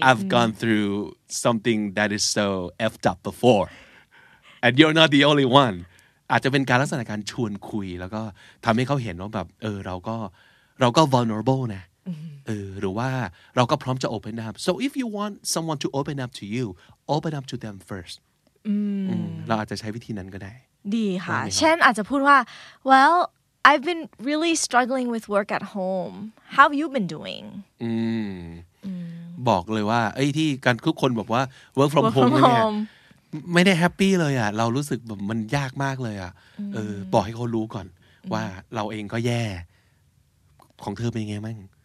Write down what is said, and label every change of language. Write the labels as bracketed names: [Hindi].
[English] I've gone through something that is so effed up beforeAnd you're not the only one. [Thai] อาจจะเป็นการลักษณะการชวนคุยแล้วก็ทำให้เขาเห็นว่าแบบเราก็ vulnerable นะ mm-hmm. หรือว่าเราก็พร้อมจะ [English] open up. So if you want someone to open up to you, open up to them first. Mm-hmm. [Thai] เราอาจจะใช้วิธีนั้นก็ได้ดีค่ะเช่นอาจจะพูดว่า [English] Well, I've been really struggling with work at home. How have you been doing? Mm-hmm. [Thai] บอกเลยว่าไอ้ที่การทุกคนบอกว่า work from home. ไม่ได้แฮปปี้เลยอ่ะเรารู้สึกแบบมันยากมากเลยอ่ะบอกให้เขารู้ก่อนว่าเราเองก็แย่ของเธอเป็นไงมั่ง